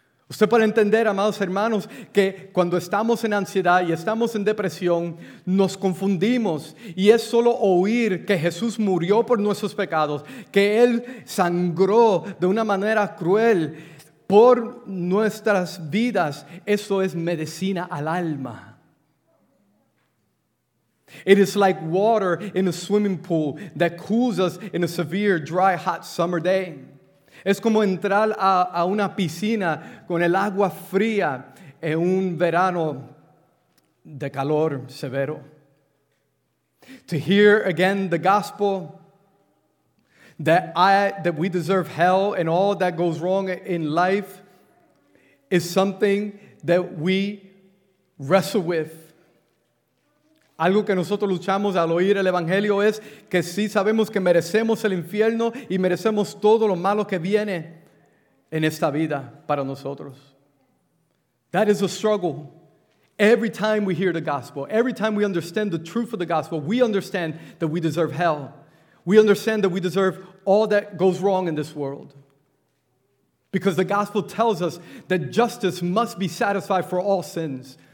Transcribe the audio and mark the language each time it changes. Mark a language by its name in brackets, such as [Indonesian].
[Spanish] Usted puede entender, amados hermanos, que cuando estamos en ansiedad y estamos en depresión, nos confundimos. Y es solo oír que Jesús murió por nuestros pecados, que Él sangró de una manera cruel por nuestras vidas. Eso es medicina al alma. [English] It is like water in a swimming pool that cools us in a severe, dry, hot summer day. [Spanish] Es como entrar a una piscina con el agua fría en un verano de calor severo. [English] To hear again the gospel that we deserve hell and all that goes wrong in life is something that we wrestle with. [Spanish] Algo que nosotros luchamos al oír el Evangelio es que sí sabemos que merecemos el infierno y merecemos todo lo malo que viene en esta vida para nosotros. [English] That is a struggle. Every time we hear the gospel, every time we understand the truth of the gospel, we understand that we deserve hell. We understand that we deserve all that goes wrong in this world. Because the gospel tells us that justice must be satisfied for all sins.